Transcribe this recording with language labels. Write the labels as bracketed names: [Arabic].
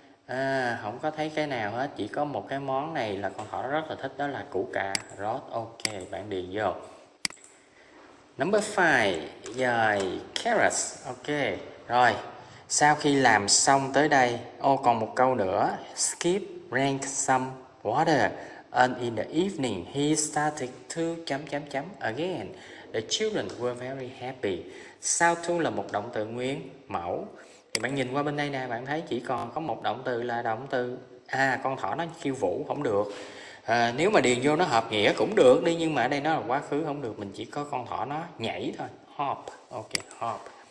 [Vietnamese] À, không có thấy cái nào hết, chỉ có một cái món này là con thỏ rất là thích, đó là củ cà rốt. Ok, bạn điền vô. [English] Number 5, [Vietnamese] dài carrots. Ok, rồi. Sau khi làm xong tới đây, còn một câu nữa. [English] Skip drank some water. And in the evening, he started to [Vietnamese] chấm chấm chấm [English] again. The children were very happy. [Vietnamese] Sau to là một động từ nguyên mẫu. Thì bạn nhìn qua bên đây nè, bạn thấy chỉ còn có một động từ là động từ. À, con thỏ nó khiêu vũ, không được. À, nếu mà điền vô nó hợp nghĩa cũng được đi, nhưng mà ở đây nó là quá khứ, không được. Mình chỉ có con thỏ nó nhảy thôi. [English] Hop, ok, hop.